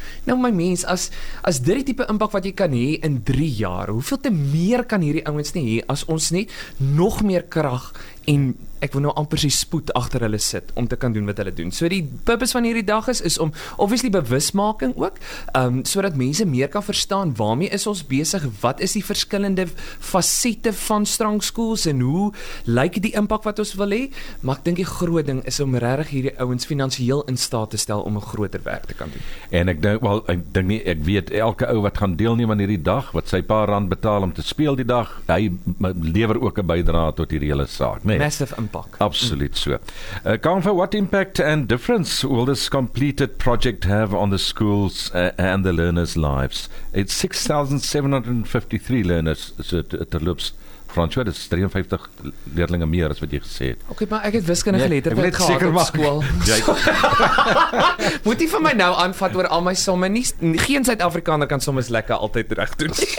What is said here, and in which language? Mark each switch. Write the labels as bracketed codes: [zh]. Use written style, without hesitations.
[af] Nou my mens, as dit die type impak wat jy kan hê in 3 jaar, hoeveel te meer kan hierdie ouens nie hê as ons net nog meer krag en ek wil nou amper sy spoed agter hulle sit om te kan doen wat hulle doen. So die purpose van hierdie dag is om obviously bewusmaking ook, sodat mense meer kan verstaan waarmee is ons besig, wat is die verskillende fasette van Strong Schools en hoe lyk die impak wat ons wil hê. Maar ek dink die groot ding is om regtig hierdie ouens finansieel in staat te stel om 'n groter werk te kan doen. En ek weet elke ou wat gaan deelneem aan hierdie dag, wat sy paar rand betaal om te speel die dag, hy lewer ook 'n bydrae tot hierdie hele saak. Nee. [en] Massive impact. [af] Absoluut so. [en] Kamfer, what impact and difference will this completed project have on the schools and the learners' lives? It's 6,753 learners, so terloops. [af] Francois, dit is 53 leerlinge meer as wat jy gesê het. Ok, maar ek het wiskunde geletterdheid gehad op school. Moet jy vir my nou aanvat oor al my somme? Geen Suid-Afrikaner kan sommes lekker altyd reg doen.